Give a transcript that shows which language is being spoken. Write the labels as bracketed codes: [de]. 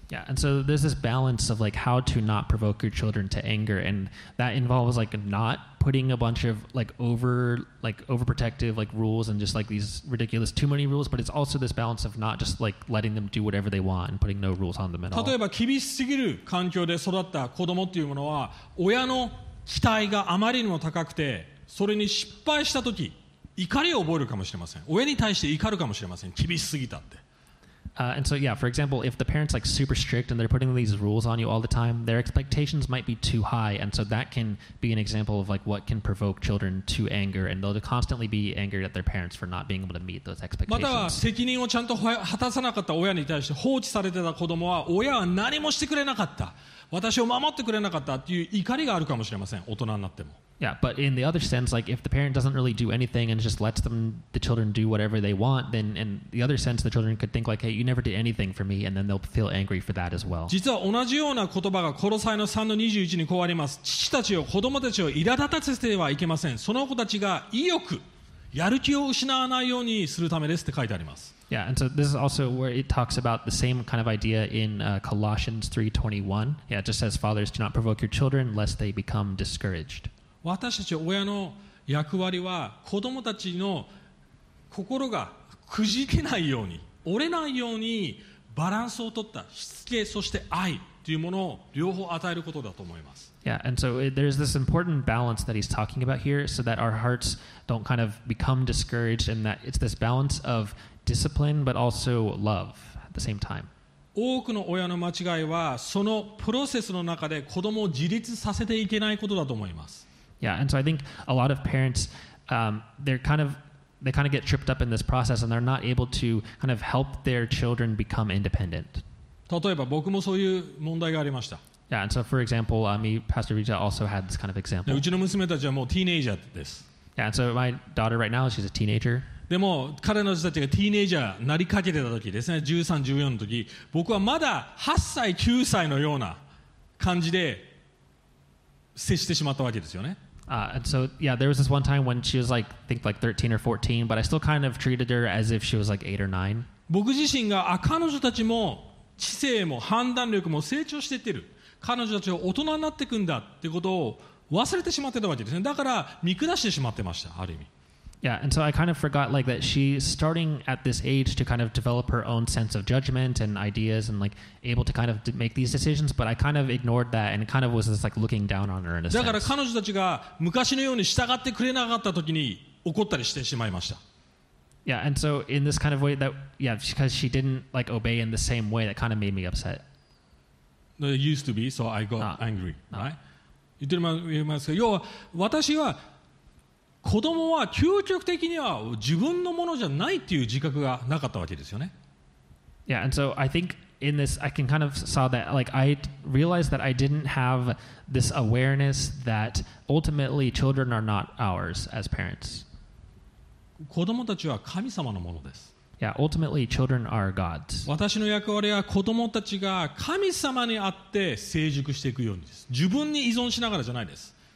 [en] Yeah, and so there's this balance of like how to not provoke your children to anger, and that involves like not putting a bunch of like overprotective like rules and just like these ridiculous too many rules, but it's also this balance of not just like letting them do whatever they want and putting no rules on them at all. [ja] 例えば厳しすぎる環境で育った子供っていうものは親の期待があまりにも高くて、それに失敗した時怒りを覚えるかもしれません。親に対して怒るかもしれません。厳しすぎたって。 [en] And so, yeah, for example, if the parents like super strict and they're putting these rules on you all the time, their expectations might be too high. And so that can be an example of like what can provoke children to anger. And they'll constantly be angered at their parents for not being able to meet those expectations. [ja] または責任をちゃんと果たさなかった親に対して放置されてた子供は、親は何もしてくれなかった。私を守ってくれなかったっていう怒りがあるかもしれません。大人になっても。 [en] Yeah, but in the other sense, like if the parent doesn't really do anything and just lets them, the children do whatever they want, then in the other sense, the children could think like, hey, you never did anything for me, and then they'll feel angry for that as well. [ja] 実は同じような言葉がコロサイの 3-21 にこうあります。父たちを子供たちを苛立たせてはいけません。その子たちが意欲、やる気を失わないようにするためですって書いてあります。 [en] Yeah, and so this is also where it talks about the same kind of idea in Colossians 3:21. Yeah, it just says, fathers, do not provoke your children lest they become discouraged. [ja] 私たち親の役割は子供たちの心がくじけないように折れないようにバランスを取ったしつけそして愛というものを両方与えることだと思います。 [en] Yeah, and so there's this important balance that he's talking about here so that our hearts don't kind of become discouraged and that it's this balance of discipline but also love at the same time. [ja] 多くの親の間違いはそのプロセスの中で子供を自立させていけないことだと思います。 [en] Yeah, and so I think a lot of parents, they kind of get tripped up in this process, and they're not able to kind of help their children become independent. [ja] 例えば僕もそういう問題がありました。 [en] Yeah, and so for example, me, Pastor Rita also had this kind of example. [ja] うちの娘たちはもうティーネイジャーです。 [en] Yeah, and so my daughter right now, she's a teenager. [ja] でも彼女たちがティーネイジャーなりかけてた時ですね、13、14の時、僕はまだ8歳、9歳のような感じで接してしまったわけですよね。 [en] And so, yeah, there was this one time when she was like, I think like 13 or 14, but I still kind of treated her as if she was like 8 or 9. [ja] 僕自身が、彼女たちも知性も判断力も成長していってる。彼女たちは大人になっていくんだってことを忘れてしまってたわけですね。だから見下してしまってました、ある意味。 [en] Yeah, and so I kind of forgot like that she's starting at this age to kind of develop her own sense of judgment and ideas and like able to kind of make these decisions, but I kind of ignored that and kind of was just like looking down on her in a sense. [ja] だから彼女たちが昔のように従ってくれなかった時に怒ったりしてしまいました。 [en] Yeah, and so in this kind of way that, yeah, because she didn't like obey in the same way, that kind of made me upset. No, it used to be, so I got angry, right? [ja] 言ってますか？要は私は子供は究極的には自分のものじゃないっていう自覚がなかったわけですよね。 [en] Yeah, and so I think in this I can kind of saw that like I realized that I didn't have this awareness that ultimately children are not ours as parents. [ja] 子供たちは神様のものです。 [en] Yeah, ultimately children are God's. [ja] 私の役割は子供たちが神様にあって成熟していくようにです。自分に依存しながらじゃないです。